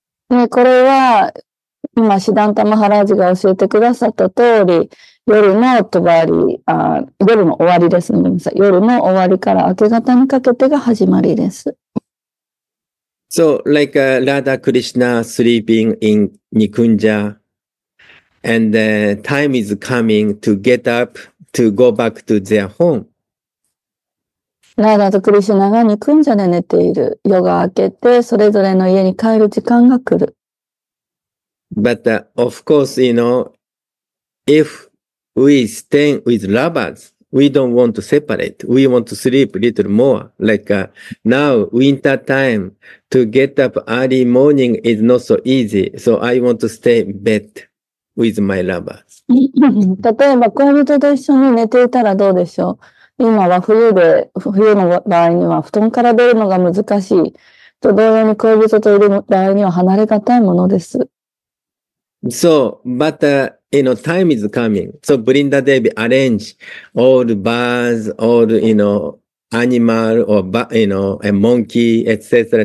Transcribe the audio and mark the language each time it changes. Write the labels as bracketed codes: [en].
[ja] ね、これは今シダンタマハラジが教えてくださった通り、夜の終わり、夜の終わりですね。夜の終わりから明け方にかけてが始まりです。 [en] So like Radha Krishna sleeping in Nikunja, and time is coming to get up to go back to their home. [ja] ラーダとクリシュナがニクンジャで寝ている。夜が明けて、それぞれの家に帰る時間が来る。 [en] But, of course, you know, if we stay with lovers, we don't want to separate. We want to sleep a little more. Like, now, winter time, to get up early morning is not so easy. So I want to stay in bed with my lovers. [ja] 例えば、恋人と一緒に寝ていたらどうでしょう？今は冬で、冬の場合には布団から出るのが難しい。と同様に恋人といる場合には離れがたいものです。 [en] So, but, you know, time is coming. So, Brinda Devi arrange all birds, all, you know, animal, or, you know, a monkey, etc.